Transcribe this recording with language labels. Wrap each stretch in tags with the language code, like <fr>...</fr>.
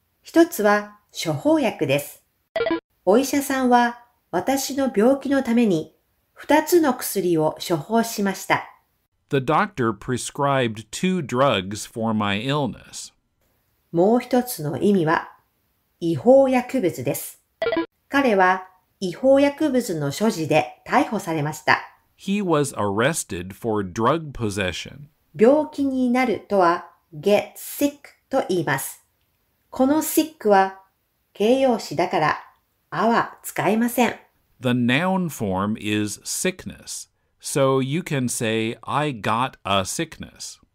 <ja>1つは処方薬です。お医者さんは私の病気のために2 2つの薬を処方しました。</ja> <en>The doctor prescribed two drugs for my illness.</en> <ja>もう一つの意味は、違法薬物です。彼は違法薬物の所持で逮捕されました。</ja> <en>He was arrested for drug possession.</en> <ja>病気になるとは、</ja> <en>get sick</en> <ja>と言います。この sick は、形容詞だから、あは使えません。</ja> <en>The noun form is sickness. So you can say, I got a sickness.</en>